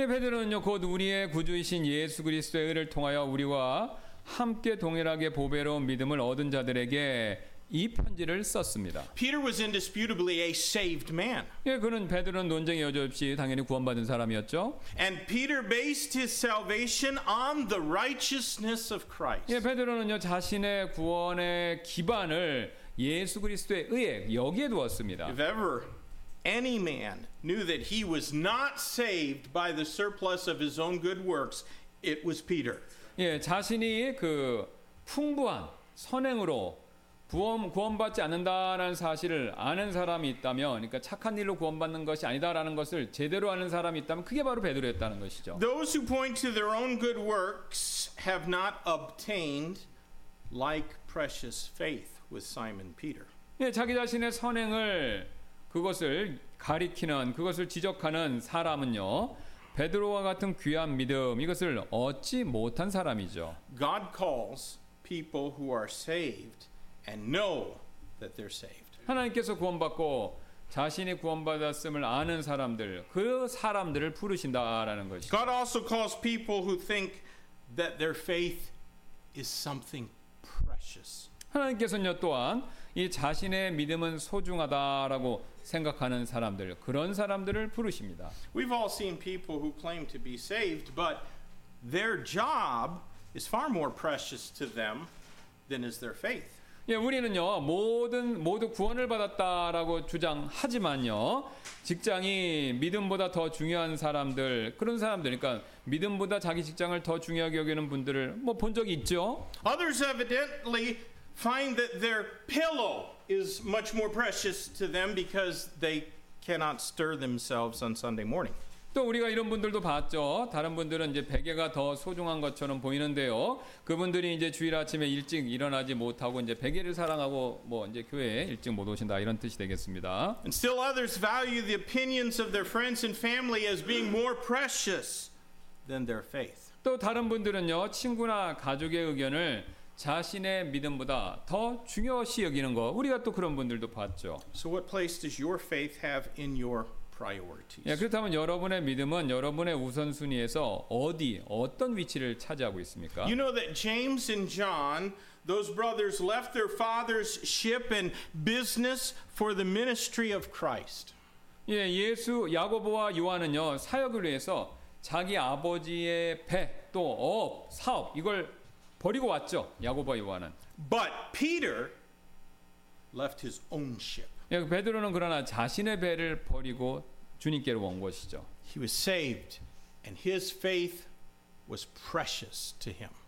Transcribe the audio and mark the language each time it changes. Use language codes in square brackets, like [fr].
[ko] 예, 베드로는요 곧 우리의 구주이신 예수 그리스도의 의를 통하여 우리와 함께 동일하게 보배로운 믿음을 얻은 자들에게 이 편지를 썼습니다. [en] Peter was indisputably a saved man. [ko] 예, 그는 베드로는 논쟁의 여지 없이 당연히 구원받은 사람이었죠. [en] And Peter based his salvation on the righteousness of Christ. [ko] 예, 베드로는요 자신의 구원의 기반을 예수 그리스도의 의에 여기에 두었습니다. [en] If ever any man knew that he was not saved by the surplus of his own good works, it was Peter. [ko] 예, 자신이 그 풍부한 선행으로 구원받지 않는다라는 사실을 아는 사람이 있다면, 그러니까 착한 일로 구원받는 것이 아니다라는 것을 제대로 아는 사람이 있다면, 그게 바로 베드로였다는 것이죠. [en] Those who point to their own good works have not obtained like precious faith with Simon Peter. [ko] 예, 자기 자신의 선행을 그것을 가리키는 그것을 지적하는 사람은요, 베드로와 같은 귀한 믿음 이것을 얻지 못한 사람이죠. [en] God calls people who are saved. And know that they're saved. [ko] 하나님께서 구원받고 자신이 구원받았음을 아는 사람들, 그 사람들을 부르신다라는 것이. [en] God also calls people who think that their faith is something precious. [ko] 하나님께서는요 또한 이 자신의 믿음은 소중하다라고 생각하는 사람들, 그런 사람들을 부르십니다. [en] We've all seen people who claim to be saved, but their job is far more precious to them than is their faith. [ko] 예, 우리는요 모두 구원을 받았다라고 주장하지만요 직장이 믿음보다 더 중요한 사람들 그런 사람들, 그러니까 믿음보다 자기 직장을 더 중요하게 여기는 분들을 뭐 본 적이 있죠. [en] Others evidently find that their pillow is much more precious to them because they cannot stir themselves on Sunday morning. [ko] 또 우리가 이런 분들도 봤죠. 다른 분들은 이제 베개가 더 소중한 것처럼 보이는데요. 그분들이 이제 주일 아침에 일찍 일어나지 못하고 이제 베개를 사랑하고 뭐 이제 교회에 일찍 못 오신다 이런 뜻이 되겠습니다. [en] And still others value the opinions of their friends and family as being more precious than their faith. [ko] 또 다른 분들은요. 친구나 가족의 의견을 자신의 믿음보다 더 중요시 여기는 거. 우리가 또 그런 분들도 봤죠. [en] So what place does your faith have in your priorities. [ko] 예, 그렇다면 여러분의 믿음은 여러분의 우선순위에서 어디 어떤 위치를 차지하고 있습니까? [en] You know that James and John, those brothers left their father's ship and business for the ministry of Christ. [ko] 예, 예수 야고보와 요한은요, 사역을 위해서 자기 아버지의 배 또 업 사업 이걸 버리고 왔죠. 야고보와 요한은. [en] But Peter left his own ship. [ko] 예, 베드로는 그러나 자신의 배를 버리고 주님께로 온 것이죠. [en] He was saved and his faith was precious to him.